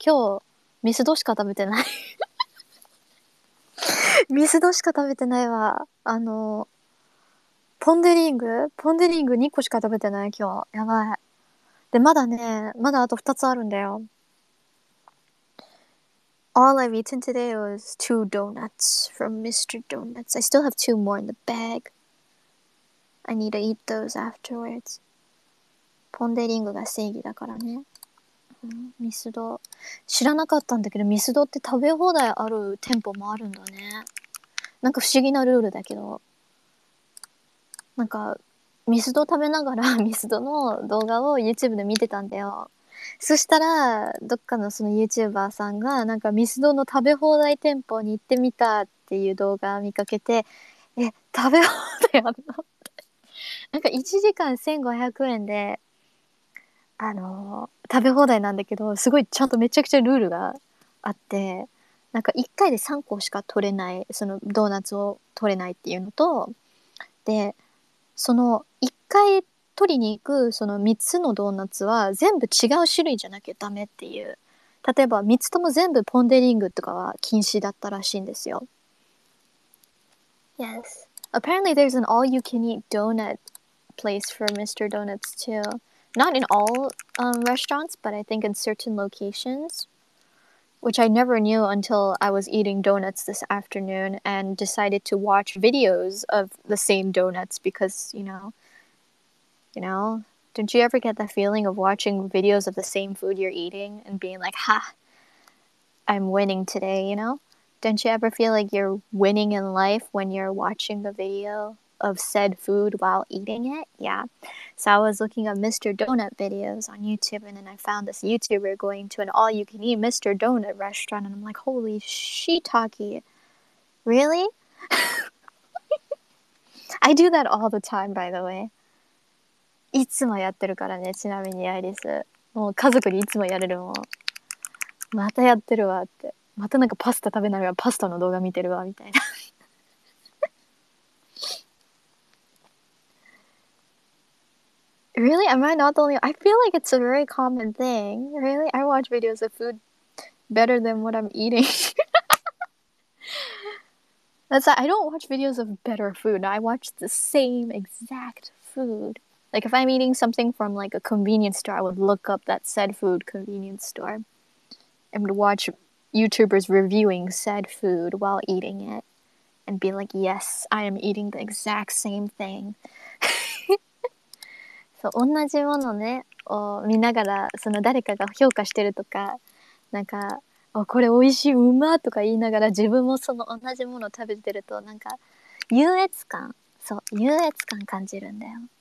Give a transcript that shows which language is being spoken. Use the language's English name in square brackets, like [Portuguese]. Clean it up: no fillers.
[Japanese] 今日ミスドしか食べてないミスドしか食べてないわ。あのポンデリング、ポンデリング2個しか食べてない今日。やばい。でまだね、まだあと2つあるんだよ。 [English] All I've eaten today was two donutsfrom Mr. Donuts. I still have two more in the bag. I need to eat those afterwards. [Japanese] ポンデリングが正義だからね。ミスド。知らなかったんだけど、ミスドって食べ放題ある店舗もあるんだね。なんか不思議なルールだけど。なんか、ミスド食べながらミスドの動画を YouTube で見てたんだよ。そしたらどっかのその YouTuber さんがなんかミスドの食べ放題店舗に行ってみたっていう動画を見かけて、え、食べ放題あるのなんか1時間1500円で食べ放題なんだけど、すごいちゃんとめちゃくちゃルールがあって、なんか1回で3個しか取れない、そのドーナツを取れないっていうのと、でその1回取りに行くその3つのドーナツは全部違う種類じゃなきゃダメっていう、例えば3つとも全部ポンデリングとかは禁止だったらしいんですよ。 [English] Yes, apparently there's an all you can eat donut place for Mr. Donuts too. Not in all restaurants, but I think in certain locations, which I never knew until I was eating donuts this afternoon and decided to watch videos of the same donuts because, you know, don't you ever get that feeling of watching videos of the same food you're eating and being like, ha, I'm winning today, you know? Don't you ever feel like you're winning in life when you're watching the video of said food while eating it? Yeah. So I was looking at Mr. Donut videos on YouTube, and then I found this YouTuber going to an all-you-can-eat Mr. Donut restaurant, and I'm like, holy shiitake, really? I do that all the time, by the way. [Japanese] いつもやってるからね。ちなみにアイリス、もう家族にいつもやれるもん。またやってるわって、またなんかパスタ食べながらパスタの動画見てるわみたいな。 [English] Really? Am I not the only? I feel like it's a very common thing. Really? I watch videos of food better than what I'm eating. That's like, I don't watch videos of better food. I watch the same exact foodLike, if I'm eating something from, like, a convenience store, I would look up that said food convenience store and would watch YouTubers reviewing said food while eating it and be like, yes, I am eating the exact same thing. [Japanese] そう、同じものねを見ながらその誰かが評価してるとか、なんかあこれ美味しいうまとか言いながら自分もその同じものを食べてると、なんか優越感、そう優越感感じるんだよ。